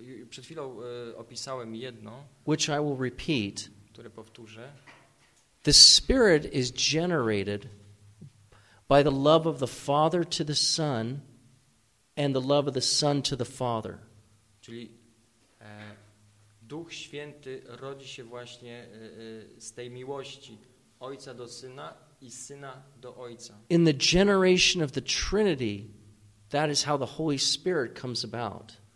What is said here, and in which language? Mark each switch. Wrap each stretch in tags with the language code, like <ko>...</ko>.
<pl>Przed chwilą opisałem jedno,</pl> <en>which I will repeat.</en> <pl>Które powtórzę.</pl> <en>The Spirit is generated by the love of the Father to the Son and the love of the Son to the Father.</en> <pl>Czyli Duch Święty rodzi się właśnie z tej miłości Ojca do Syna i Syna do Ojca.</pl> <en>In the generation of the Trinity, that is how the Holy Spirit comes about.</en>